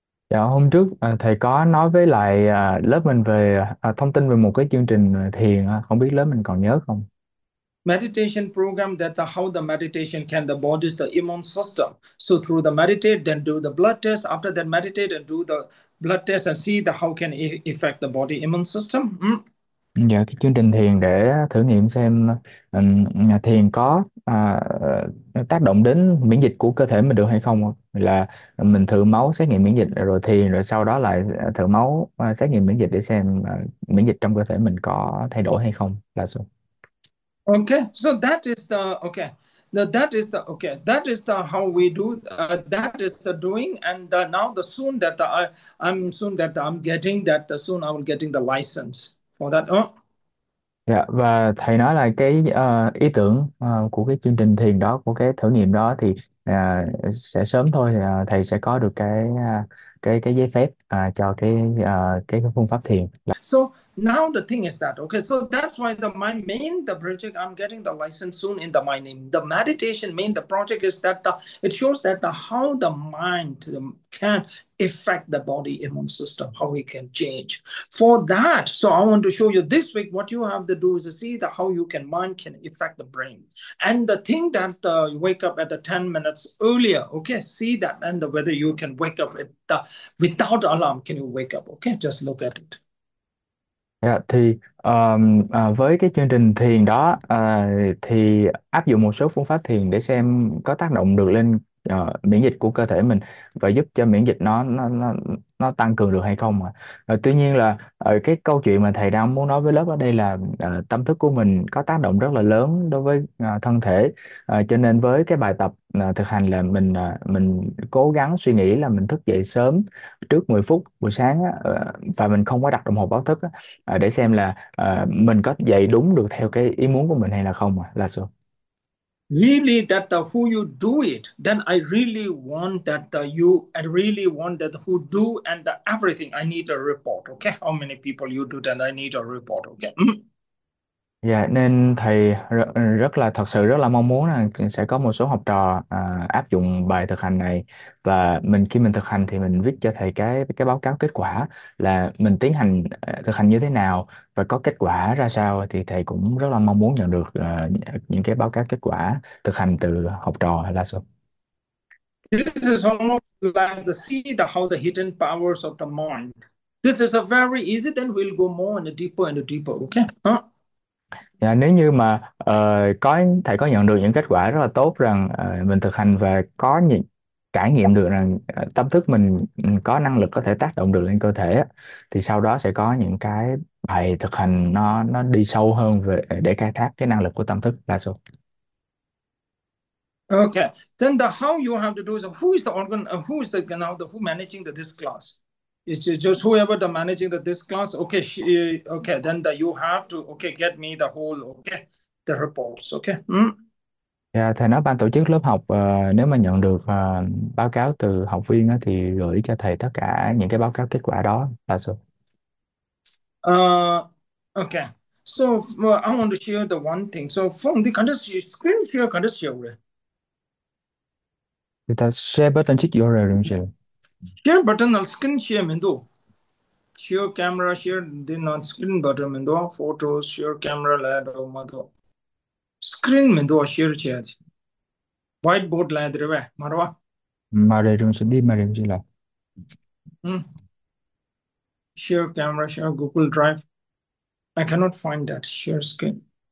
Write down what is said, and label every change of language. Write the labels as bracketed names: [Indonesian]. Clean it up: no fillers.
[Vietnamese] Dạ, hôm trước thầy có nói với lại lớp mình về thông tin về một cái chương trình thiền, không biết lớp mình còn nhớ không? [English] Meditation program that the, how the meditation can the body's the immune system. So through the meditate, then do the blood test. After that, meditate and do the blood test and see the how can it affect the body immune system. [Vietnamese] Dạ, cái chương trình thiền để thử nghiệm xem thiền có tác động đến miễn dịch của cơ thể mình được hay không, là mình thử máu xét nghiệm miễn dịch rồi thiền rồi sau đó lại thử máu xét nghiệm miễn dịch để xem miễn dịch trong cơ thể mình có thay đổi hay không là sao. [English] Okay, so that is the okay. Now that is the okay. That is the how we do. That is the doing. And now the soon that I'm soon that I'm getting that the soon I will getting the license for that. [Vietnamese] Dạ, và thầy nói là cái ý tưởng của cái chương trình thiền đó, của cái thử nghiệm đó thì sẽ sớm thôi thầy sẽ có được cái giấy phép cho cái phương pháp thiền. [English] So now the thing is that, okay, so that's why the my main the project I'm getting the license soon in the my name. The meditation main the project is that it shows that the how the mind can affect the body immune system, how we can change. For that, so I want to show you this week what you have to do is to see the how you can mind can affect the brain. And the thing that you wake up at the 10 minutes earlier, okay, see that and whether you can wake up at without alarm, can you wake up? Okay, just look at it. [Vietnamese] Dạ, thì với cái chương trình thiền đó thì áp dụng một số phương pháp thiền để xem có tác động được lên miễn dịch của cơ thể mình và giúp cho miễn dịch nó tăng cường được hay không mà. Tuy nhiên là cái câu chuyện mà thầy đang muốn nói với lớp ở đây là tâm thức của mình có tác động rất là lớn đối với thân thể, cho nên với cái bài tập thực hành là mình cố gắng suy nghĩ là mình thức dậy sớm trước 10 phút buổi sáng và mình không có đặt đồng hồ báo thức để xem là mình có dậy đúng được theo cái ý muốn của mình hay là không là sao. [English] Really, that who you do it, then I really want that you, I really want that who do and everything. I need a report, okay? How many people you do, then I need a report, okay? [Vietnamese] Dạ, nên thầy rất là thật sự rất là mong muốn là sẽ có một số học trò áp dụng bài thực hành này, và mình khi mình thực hành thì mình viết cho thầy cái báo cáo kết quả là mình tiến hành thực hành như thế nào và có kết quả ra sao, thì thầy cũng rất là mong muốn nhận được những cái báo cáo kết quả thực hành từ học trò là sao. [English] This is almost like the see the how the hidden powers of the mind. This is a very easy, then we'll go more and deeper and deeper. Okay, huh? [Vietnamese] Dạ, nếu như mà thầy có nhận được những kết quả rất là tốt rằng mình thực hành và có những trải nghiệm được rằng tâm thức mình có năng lực có thể tác động được lên cơ thể, thì sau đó sẽ có những cái bài thực hành nó đi sâu hơn về để khai thác cái năng lực của tâm thức là số. [English] Okay, then the how you have to do is who is the organ, who is the now the who managing the this class? It's just whoever the managing the this class. Okay, she, okay. Then the you have to okay get me the whole okay the reports. Okay. [Vietnamese] Yeah, thầy nói ban tổ chức lớp học nếu mà nhận được báo cáo từ học viên thì gửi cho thầy tất cả những cái báo cáo kết quả đó là số. [English] Okay. So I want to share the one thing. So from the condition screen share condition. Thì ta share button chiếc URL. Share button on screen share window. Share camera share then on screen button window. Photos share camera lad or mother. Screen window share chat. Whiteboard lad rewe marwa. [Vietnamese] Mà đây chúng sẽ đi mà đây chỉ là [English] Share camera share Google Drive. I cannot find that share screen.